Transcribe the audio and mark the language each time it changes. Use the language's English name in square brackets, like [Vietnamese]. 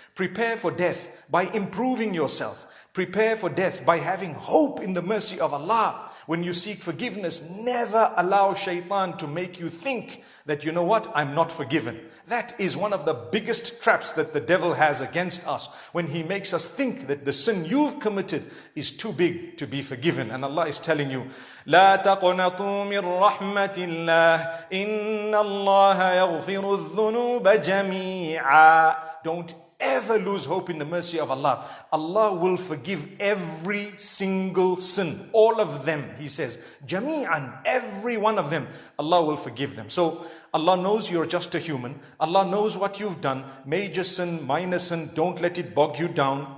[English] Prepare for death by improving yourself. Prepare for death by having hope in the mercy of Allah. When you seek forgiveness, never allow shaitan to make you think that, you know what, I'm not forgiven. That is one of the biggest traps that the devil has against us, when he makes us think that the sin you've committed is too big to be forgiven. And Allah is telling you, [Arabic] لَا تَقْنَطُوا مِنْ رَحْمَةِ اللَّهِ إِنَّ اللَّهَ يَغْفِرُ الذُّنُوبَ جَمِيعًا. [English] Don't ever lose hope in the mercy of Allah. Allah will forgive every single sin, all of them, He says, jami'an, every one of them, Allah will forgive them. So Allah knows you're just a human. Allah knows what you've done, major sin, minor sin, don't let it bog you down.